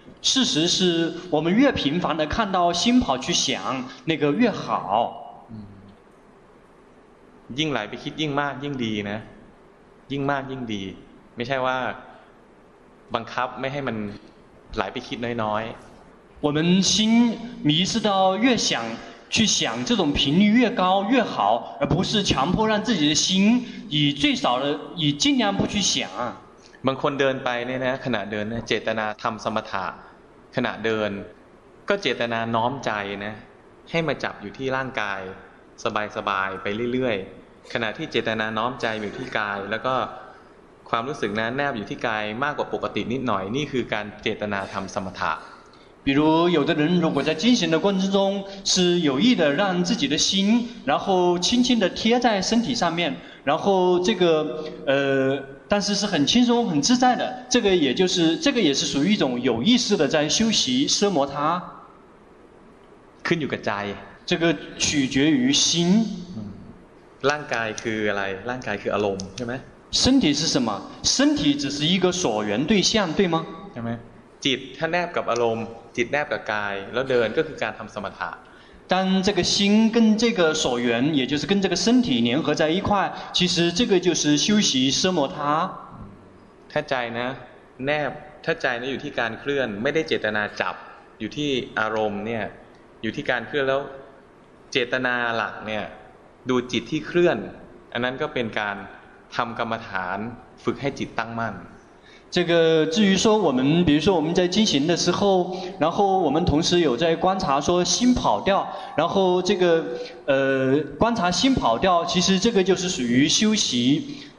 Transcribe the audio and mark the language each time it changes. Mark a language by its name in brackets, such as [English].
[Chinese] 事实是我们越频繁的看到心跑去想那个越好 [Thai] ยิ่งไหลไปคิดยิ่งมากยิ่งดีนะยิ่งมากยิ่งดีไม่ใช่ว่าบังคับไม่ให้มันไหลไปคิดน้อย [Chinese] ๆ我们心迷失到越想去想这种频率越高越好而不是强迫让自己的心以最少的以尽量不去想 [Thai] บางคนเดินไปเนี่ยนะขณะเดินเจตนาทำสมถะขณะเดินก็เจตนาน้อมใจนะให้มาจับอยู่ที่ร่างกายสบายสบายไปเรื่อยๆขณะที่เจตนาน้อมใจอยู่ที่กายแล้วก็ความรู้สึกนั้นแนบอยู่ที่กายมากกว่าปกตินิดหน่อยนี่คือการเจตนาทำสมถะ [Chinese] 比如有的人如果在进行的过程中是有意的让自己的心然后轻轻的贴在身体上面然后这个但是是很轻松很自在的这个也就是这个也是属于一种有意识的在修习奢摩他 [Thai] ขึ้นอยู่กับใ [Chinese] จ这个取决于心 [Thai] ร่างกายคืออะไรร่างกายคืออารมณ์ใช่มั้ย [Chinese] 身体是什么身体只是一个所缘对象对吗 [Thai] ใช่มั้ยจิตถ้าแนบกับอารมณ์จิตแนบกับกายแล้วเดินก็คือการทำสมถะ [Chinese] 但这个心跟这个所缘也就是跟这个身体联合在一块其实这个就是修习奢摩他 [Thai] ถ้าใจนะแนบถ้าใจนะอยู่ที่การเคลื่อนไม่ได้เจตนาจับอยู่ที่อารมณ์เนี่ยอยู่ที่การเคลื่อนแล้วเจตนาหลักเนี่ยดูจิตที่เคลื่อนอันนั้นก็เป็นการทำกรรมฐานฝึกให้จิตตั้งมั่น [Chinese] 这个至于说我们比如说我们在进行的时候然后我们同时有在观察说心跑掉然后这个观察心跑掉其实这个就是属于修习